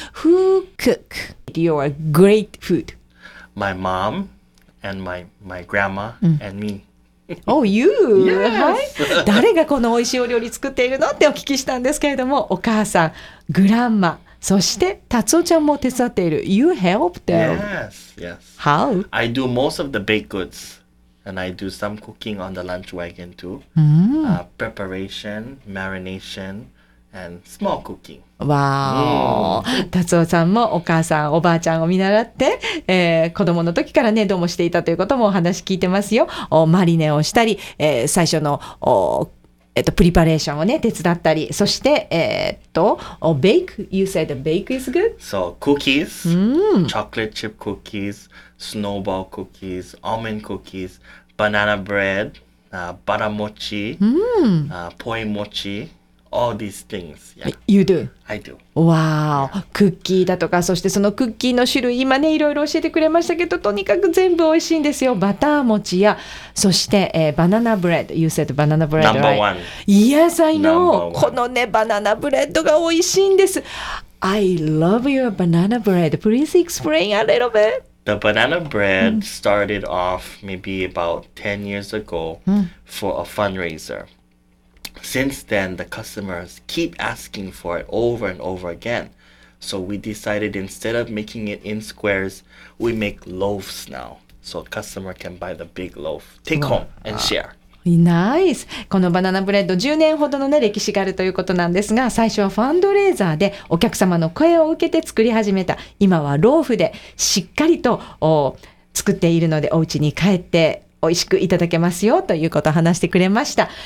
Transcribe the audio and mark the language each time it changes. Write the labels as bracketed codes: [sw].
[en] Who cook your great food? My mom and my grandma and me. Oh, you! Yes. [ja] はい、誰がこの美味しいお料理作っているのってお聞きしたんですけれども、お母さん、グランマ、そしてタツオちゃんも手伝っている。 [en] You help them? Yes, yes. How? I do most of the baked goods and I do some cooking on the lunch wagon too. Preparation, marination and small cooking [ja] わお、達夫さんもお母さん、おばあちゃんを見習って、子供の時からね、どうもしていたということもお話聞いてますよ。マリネをしたり、最初の、プリパレーションをね、手伝ったり、そして、ベイク、 [en] You said bake is good? So, cookies, chocolate chip cookies, snowball cookies, almond cookies, banana bread, butter mochi, poi mochi. All these things.、Yeah. You do? I do. Wow.、Yeah. [ja] クッキーだとか、そしてそのクッキーの種類、今ね、いろいろ教えてくれましたけど、とにかく全部美味しいんですよ。バター餅や、そして、バナナブレッド。 [en] You said banana bread, Number、 right? one. Yes, I know. [ja] このね、バナナブレッドが美味しいんです。 [en] I love your banana bread. Please explain a little bit. The banana bread started off maybe about 10 years ago for a fundraiser. Since then, the customers keep asking for it over and over again. So we decided instead of making it in squares, we make loaves now. So a customer can buy the big loaf, take home and share. [ja] ナイス。このバナナブレッド、10年ほどの、ね、歴史があるということなんですが、最初はファンドレーザーでお客様の声を受けて作り始めた。今はローフでしっかりと作っているので、お家に帰って美味しくいただけますよということを話してくれました。